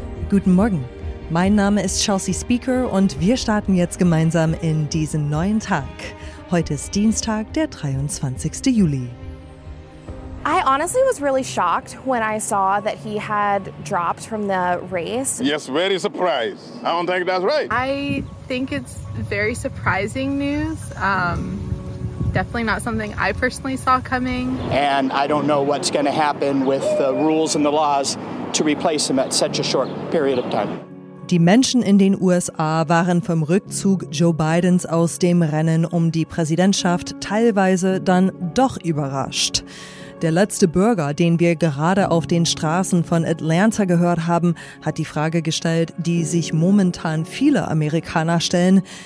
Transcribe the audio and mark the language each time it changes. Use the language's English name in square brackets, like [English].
[German] Guten Morgen, mein Name ist Chelsea Speaker und wir starten jetzt gemeinsam in diesen neuen Tag. Heute ist Dienstag, der 23. Juli. [English] I honestly was really shocked when I saw that he had dropped from the race. Yes, very surprised. I don't think that's right. I think it's very surprising news. Definitely not something I personally saw coming. And I don't know what's going to happen with the rules and the laws to replace him at such a short period of time. [German] Die Menschen in den USA waren vom Rückzug Joe Bidens aus dem Rennen um die Präsidentschaft teilweise dann doch überrascht. Der letzte Bürger, den wir gerade auf den Straßen von Atlanta gehört haben, hat die Frage gestellt, die sich momentan viele Amerikaner stellen.